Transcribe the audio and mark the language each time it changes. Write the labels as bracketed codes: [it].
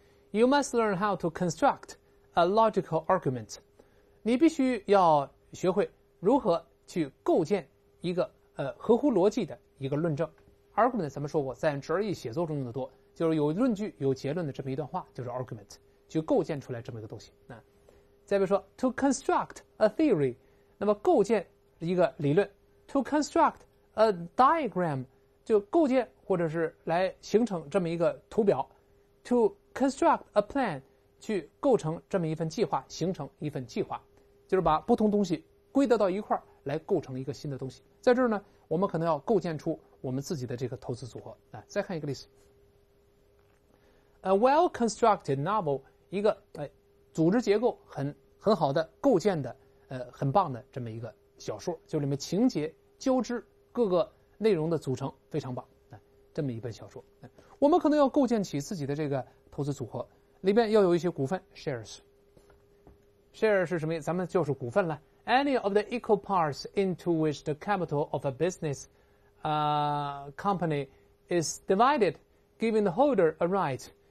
[en] You must learn how to construct a logical argument. [zh] 你必须要学会如何去构建一个合乎逻辑的一个论证。 Argument 咱们说过，在 GRE 写作中用的多，就是有论据、有结论的这么一段话，就是 argument， 去构建出来这么一个东西。那再比如说 ，to construct a theory， 那么构建一个理论 ；to construct a diagram， 就构建或者是来形成这么一个图表 ；to construct a plan， 去构成这么一份计划，形成一份计划，就是把不同东西归得到一块儿来构成一个新的东西。在这儿呢，我们可能要构建出我们自己的这个投资组合。来，再看一个例子。A well-constructed novel， 一个组织结构很好的构建的很棒的这么一个小说，就里面情节交织各个内容的组成非常棒，这么一本小说。我们可能要构建起自己的这个投资组合，里面要有一些股份 shares。 Share 是什么？咱们就是股份了。 [en] Any of the equal parts into which the capital of a business, company is divided, giving the holder a right.